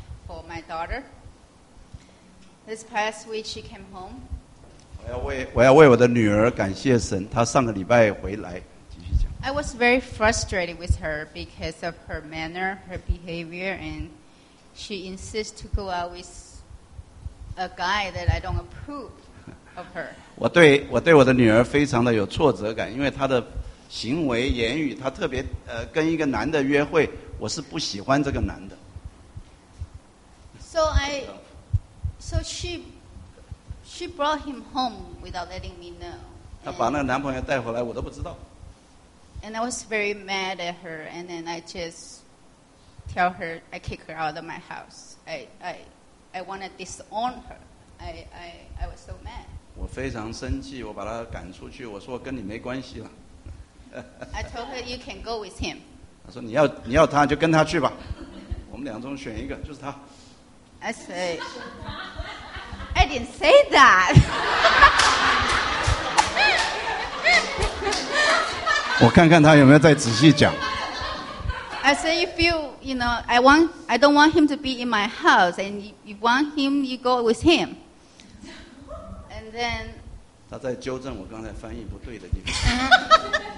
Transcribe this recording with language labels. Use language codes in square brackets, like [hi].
[en] For my daughter, this past week she came home. [zh] 我要为我的女儿感谢神。她上个礼拜回来，继续讲。 [en] I was very frustrated with her because of her manner, her behavior, and she insists to go out with a guy that I don't approve of her. [zh] 我对我的女儿非常的有挫折感，因为她的行为言语，她特别跟一个男的约会，我是不喜欢这个男的。 [en] So she brought him home without letting me know. [zh] 她把那个男朋友带回来，我都不知道。 [en] And I was very mad at her, and then I just tell her I kick her out of my house. I want to disown her. I was so mad. [zh] 我非常生气，我把她赶出去。我说我跟你没关系了。 [en] I told her you can go with him. [zh] 她说你要他就跟他去吧，我们两中选一个，就是他。 [en] I said, I didn't say that. [zh] 我看看他有没有再仔细讲。 [en] I said, if you know, I don't want him to be in my house, and you want him, you go with him. And then. [zh] 他在纠正我刚才翻译不对的地方。